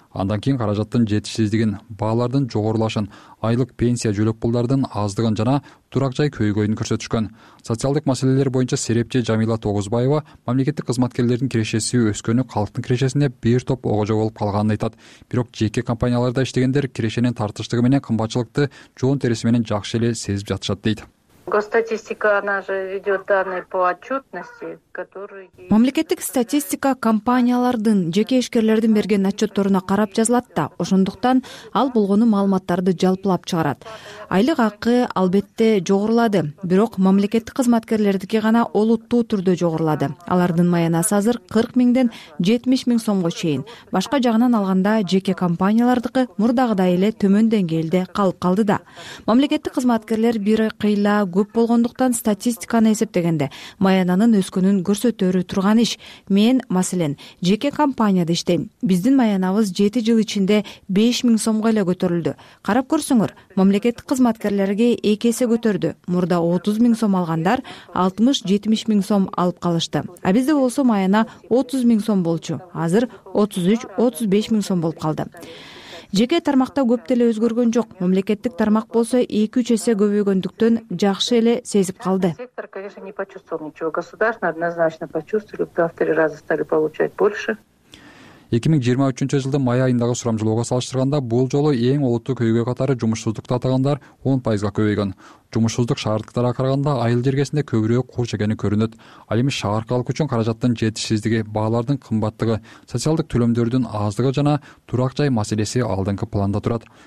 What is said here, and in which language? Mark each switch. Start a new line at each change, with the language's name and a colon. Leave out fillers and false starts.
Kyrgyz: Андан кийин каражаттын жетишсиздигин, баалардын жогорулашын, айлык пенсия жөлөк пулдардын аздыгын жана турак жай көйгөйүн көрсөтүшкөн. Социалдык маселелер боюнча серепчи Жамила Тогузбаева мамлекеттик кызматкерлердин кирешеси өскөнү калктын кирешесине бир топ огожо болуп калганын айтат. Бирок жеке компанияларда иштегендер кирешенин тартыштыгы менен кымбатчылыкты жоон териси менен жакшы эле сезип жатышат дейт.
Russian: Госстатистика, она же ведет данные по отчетности, которые...
Kyrgyz: Мамлекеттик статистика компаниялардын, жеке ишкерлердин берген отчетторуна карап жазылат да, ошондуктан ал болгону маалыматтарды жалпылап чыгарат. Айлык акы албетте жогорулады, бирок мамлекеттик кызматкерлердики гана олуттуу түрдө жогорулады. Алардын маянасы азыр 40 000 70 000 сомго чейин. Башка жагынан алганда жеке компаниялардыкы мурдагыдай эле төмөн деңгээлде калып калды да. Мамлекеттик кызматкерлер бир кыйла көп болгондуктан статистиканы эсептегенде маянанын өскөнүн көрсөтөрү турган иш. Мен, маселен, жеке компанияда иштейм. Биздин маянабыз 7 жыл ичинде 5 000 сомго эле көтөрүлдү. Карап көрсөңөр, мамлекеттик кызматкерлерге 2 эсе көтөрдү. Мурда 30 000 сом алгандар 60-70 000 сом алып калышты. А бизде болсо маяна 30 000 сом болчу. Азыр 33-35 000 сом болуп калды. Жеке тармакта көп деле өзгөргөн жок. Мамлекеттик тармак болсо 2-3 эсе көбөйгөндүктөн жакшы эле сезип калды.
Russian: Сектор, конечно, не почувствовал ничего. Государство однозначно почувствовали, в 2-3 раза стали получать больше.
Kyrgyz: 2023 жылдын май айындагы сурамжылоого салыштырганда бул жолу эң олуттуу көйгөй катары жумушсуздукту атагандар 10% көбөйгөн. Жумушсуздук шаардыктарга караганда айыл жергесинде көбүрөөк кур чегени көрүнөт. Ал эми шаар калкы үчүн каражаттын жетишсиздиги, баалардын кымбаттыгы, социалдык төлөмдөрдүн аздыгы жана турак жай маселеси алдыңкы планда турат.